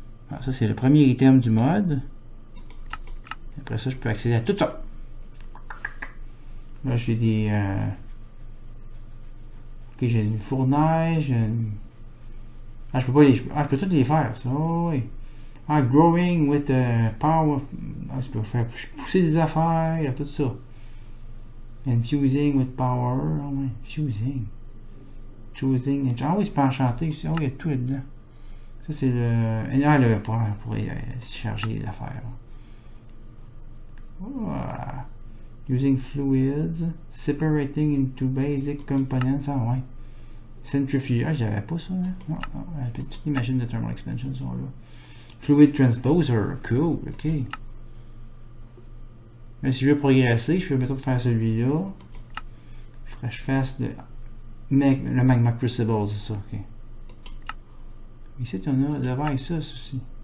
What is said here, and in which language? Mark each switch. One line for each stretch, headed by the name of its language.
French: Alors, ça, c'est le premier item du mod. Après ça, je peux accéder à tout ça. Là, j'ai des. Ok, j'ai une fournaise. J'ai une... Ah, je peux pas les. Ah, je peux toutes les faire, ça. Oui.
English: I'm growing with the power.
French: Ah, je peux faire pousser des affaires, tout ça.
English: Infusing with power.
French: Oh,
English: infusing. Choosing.
French: Ah oui, je peux enchanter. Oh, il y a tout là-dedans. Ça, c'est le. Et là, le point pour charger les affaires.
English: Oh. Using fluids. Separating into basic components.
French: Ah oui. Centrifuge. Ah, j'avais pas ça. Hein? Non, non. Toutes les machines de thermal expansion sont là. Fluid transposer, cool, ok. Mais si je veux progresser, je vais mettre pour faire celui-là. Fresh face de. Le magma crucible, c'est ça, ok. Ici, on a un device, ça, ceci.